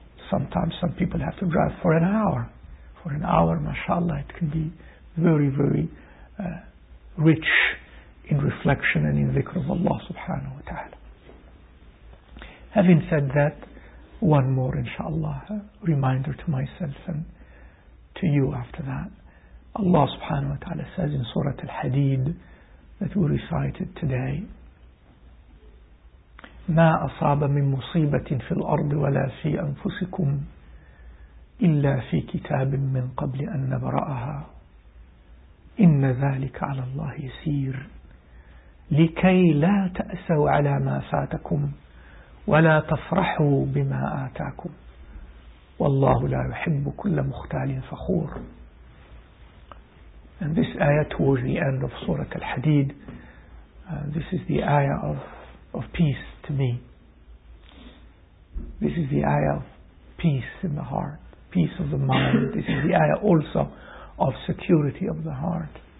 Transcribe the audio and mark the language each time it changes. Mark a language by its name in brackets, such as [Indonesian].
[English] Sometimes some people have to drive for an hour. For an hour, mashallah, it can be very, very rich in reflection and in dhikr of Allah subhanahu wa ta'ala. Having said that, one more, inshaAllah, reminder to myself and to you after that. Allah subhanahu wa ta'ala says in Surah Al-Hadid that we recited today, [Arabic] مَا أَصَابَ مِن مُصِيبَةٍ فِي الْأَرْضِ وَلَا فِي أَنفُسِكُمْ إِلَّا فِي كِتَابٍ مِّن قَبْلِ أَن نَبْرَأَهَا إِنَّ ذَلِكَ عَلَى اللَّهِ يَسِيرٌ لِكَيْ لَا تَأْسَوْا عَلَى مَا فَاتَكُمْ وَلَا تَفْرَحُوا بِمَا آتَاكُمْ وَاللَّهُ لَا يُحِبُّ كُلَّ مُخْتَالٍ فَخُورٍ. [English] And this ayah towards the end of Surah Al-Hadid, this is the ayah of peace to me. This is the ayah of peace in the heart, peace of the mind. This is the ayah also of security of the heart.